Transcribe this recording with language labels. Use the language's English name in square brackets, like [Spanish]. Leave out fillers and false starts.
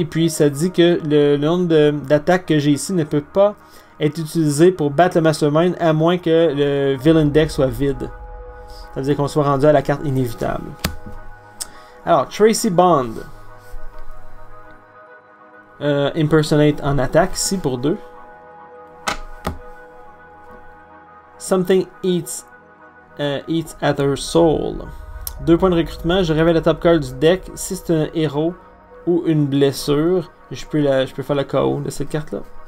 [French] Et puis, ça dit que le nombre d'attaques que j'ai ici ne peut pas être utilisé pour battre le Mastermind à moins que le Villain Deck soit vide. Ça veut dire qu'on soit rendu à la carte inévitable. Alors, Tracy Bond. Impersonate en attaque ici pour 2. [English] Something eats at her soul. [French] 2 points de recrutement. Je révèle la top card du deck. Si c'est un héros ou une blessure, je peux faire le KO de cette carte-là.